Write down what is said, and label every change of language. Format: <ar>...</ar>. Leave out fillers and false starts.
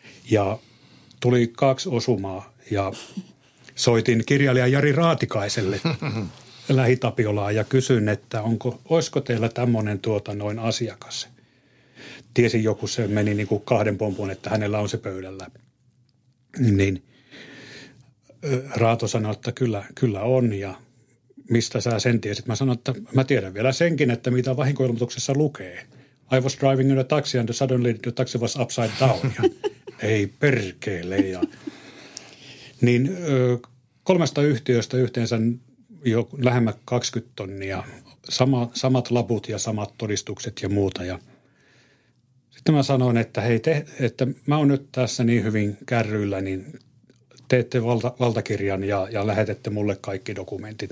<fi>Ja tuli kaksi osumaa ja soitin kirjailija Jari Raatikaiselle Lähi-Tapiolaan ja kysyin, että olisiko teillä tämmöinen noin asiakas. Tiesin joku, se meni niin kuin kahden pompuun, että hänellä on se pöydällä. Niin Raato sanoi, että kyllä on ja mistä sä sen tiesit. Mä sanoin, että mä tiedän vielä senkin, että mitä vahinkoilmoituksessa lukee.</fi> <en>I was driving in a taxi and suddenly the taxi was upside down.</en> <fi>Ja ei perkele. Ja niin kolmesta yhtiöstä yhteensä jo lähemmän 20 tonnia, samat laput ja samat todistukset ja muuta. Ja sitten mä sanoin, että että mä oon nyt tässä niin hyvin kärryillä, niin teette valtakirjan ja lähetette mulle kaikki dokumentit.</fi>